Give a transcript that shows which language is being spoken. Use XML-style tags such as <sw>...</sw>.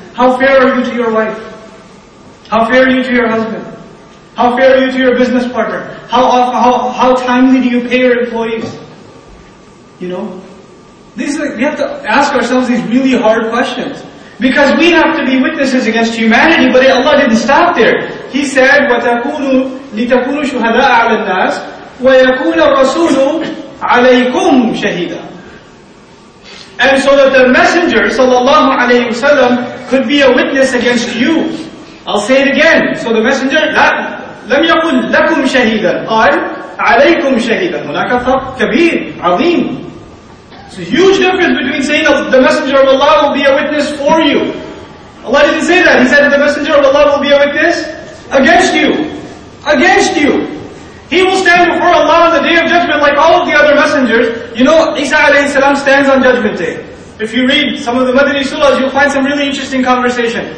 <en>How fair are you to your wife? How fair are you to your husband? How fair are you to your business partner? How timely do you pay your employees? You know? These are, we have to ask ourselves these really hard questions. Because we have to be witnesses against humanity, but Allah didn't stop there. He said,</en> <ar>وَتَكُونُوا لِتَكُونُوا شُهَدَاءَ عَلَى النَّاسِ وَيَكُونَ الرَّسُولُ عَلَيْكُمْ شَهِيدًا.</ar> <en>And so that the Messenger, sallallahu alayhi wa sallam, could be a witness against you. I'll say it again. So the Messenger,</en> <ar>لَمْ يَقُلْ لَكُمْ شَهِيدًا قَالْ عَلَيْكُمْ شَهِيدًا هُنَاكَ فَقْ كَبِيرٌ عَظِيمٌ.</ar> <en>It's a huge difference between saying that the Messenger of Allah will be a witness for you. Allah didn't say that. He said that the Messenger of Allah will be a witness against you. Against you. He will stand before Allah on the Day of Judgment like all of the other messengers. You know, Isa alayhi salam stands on Judgment Day. If you read some of the Madani surahs, you'll find some really interesting conversation.</en>